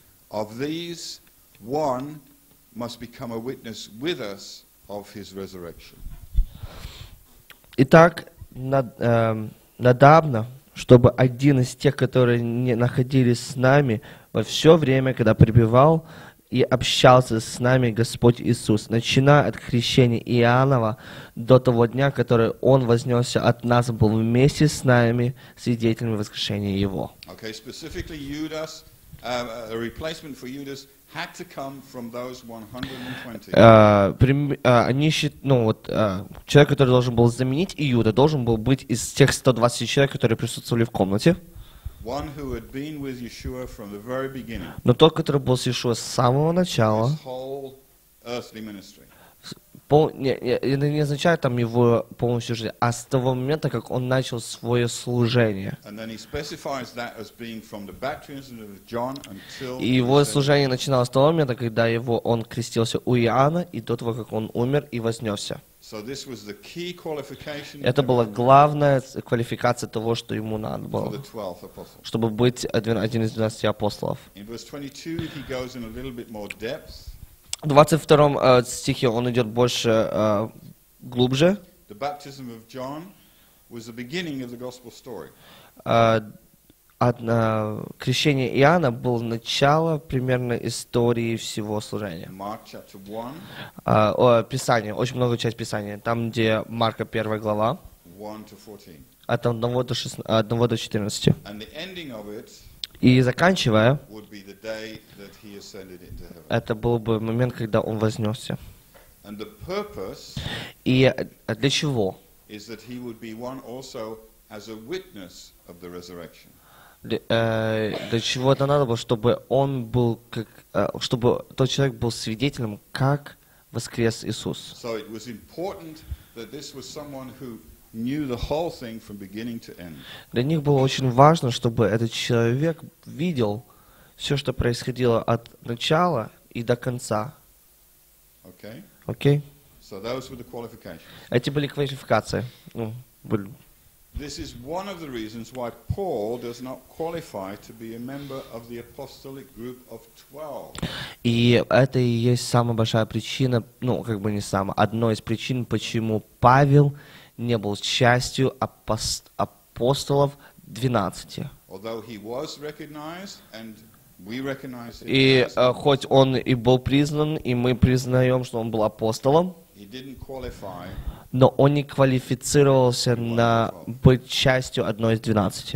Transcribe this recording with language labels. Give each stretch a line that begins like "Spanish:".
English: Of these, one must become a witness with us of his resurrection.
Russian: Итак, надобно, чтобы один из тех, которые не находились с нами во все время, когда пребывал и общался с нами Господь Иисус, начиная от крещения Иоаннова до того дня, который Он вознесся от нас, был вместе с нами свидетелями воскрешения Его.
English: Okay, specifically Judas, a replacement for Judas had to come from those 120.
Russian: Человек, который должен был заменить Иуда, должен был быть из тех 120 человек, которые присутствовали в комнате.
English: One who had been with Yeshua from the very beginning.
Russian: Но тот, который был с Иешуа с самого начала.
English: His whole earthly ministry.
Russian: Это не означает там его полностью жизнь, а с того момента, как он начал свое служение.
English: And then he specifies that as being from the baptism of John until.
Russian: И его служение начиналось с того момента, когда он крестился у Иоанна и до того, как он умер и вознесся.
English: So this was the key qualification.
Russian: Это была главная квалификация того, что ему надо было, чтобы быть один из 12 апостолов.
English: In verse 22 he goes in a little bit more depth.
Russian: В 22 стихе он идет больше глубже.
English: The baptism of John was the beginning of the gospel story.
Russian: Крещение Иоанна было начало примерно истории всего служения.
English: Mark chapter 1.
Russian: Писание, очень много часть Писания, там, где Марка 1 глава.
English: 1 to 14.
Russian: От 1 до 14.
English: And the ending of it.
Russian: И заканчивая,
English: would be the day that he ascended into heaven.
Russian: Это был бы момент, когда он вознесся.
English: And the purpose.
Russian: И для чего?
English: Is that he would be one also as a witness of the resurrection.
Russian: Для чего это надо было, чтобы он был как, чтобы тот человек был свидетелем, как воскрес Иисус.
English: So it was important that this was someone who knew the whole thing from beginning to end.
Russian: Для них было очень важно, чтобы этот человек видел все, что происходило от начала и до конца.
English: Okay. Okay. So those were the qualifications.
Russian: Эти были квалификации.
English: This is one of the reasons why Paul does not qualify to be a member of the apostolic group of 12.
Russian: И это и есть самая большая причина, одной из причин, почему Павел не был частью апостолов 12.
English: Although he was recognized and we recognize him.
Russian: И хоть он и был признан, и мы признаем, что он был апостолом.
English: He didn't qualify.
Russian: Но он не квалифицировался на быть частью одной из 12.